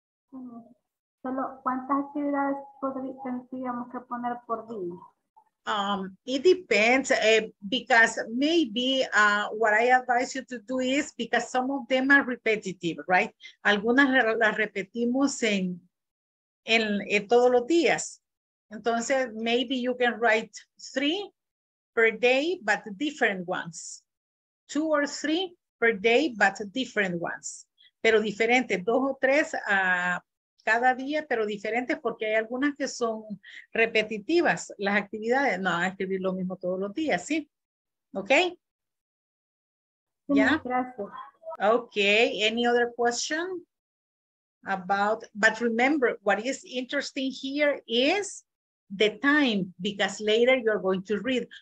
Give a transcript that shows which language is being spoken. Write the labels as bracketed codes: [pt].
[es] Solo, ¿cuántas actividades tendríamos que poner por día? [en] It depends because maybe what I advise you to do is because some of them are repetitive, right? [es] Algunas las repetimos en todos los días. Entonces, [en] maybe you can write 3 per day, but different ones. 2 or 3 per day, but different ones. [es] Pero diferentes, 2 o 3 cada día, pero diferentes porque hay algunas que son repetitivas. Las actividades, no, van a escribir lo mismo todos los días, ¿sí? ¿Ok? Sí, ¿ya? Gracias. [en] Ok, any other question about, but remember, what is interesting here is the time, because later you're going to read.